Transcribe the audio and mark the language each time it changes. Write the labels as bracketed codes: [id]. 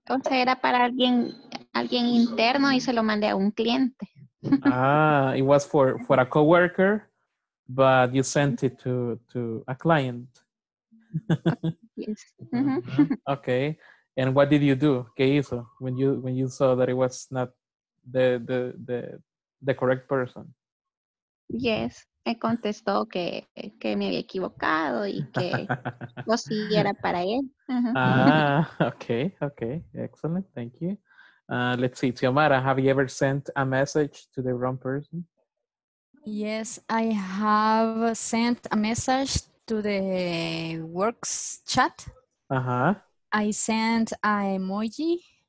[es] era para alguien interno y se lo mandé a un cliente. [en] Ah, it was for a coworker, but you sent it to a client. Yes. Mm-hmm. Okay. And what did you do? [es] ¿Qué hizo [en] when you saw that it was not the correct person? Yes. [es] Me contestó que me había equivocado y que lo siguiera para él. [en] Uh-huh. Ah, okay, excellent, thank you. Let's see, Xiomara, have you ever sent a message to the wrong person? Yes, I have sent a message to the works chat. Uh-huh. I sent a emoji.